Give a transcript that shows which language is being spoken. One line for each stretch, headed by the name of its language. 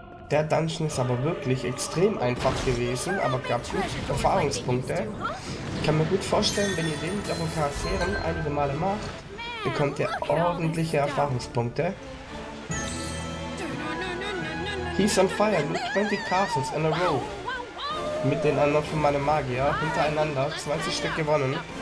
German: Der Dungeon ist aber wirklich extrem einfach gewesen, aber gab gut Erfahrungspunkte. Ich kann mir gut vorstellen, wenn ihr den mit euren Charakteren einige Male macht, bekommt ihr ordentliche Erfahrungspunkte.
English: He's on fire with 20 castles in a row.
German: Mit den anderen von meinem Magier hintereinander 20 Stück gewonnen.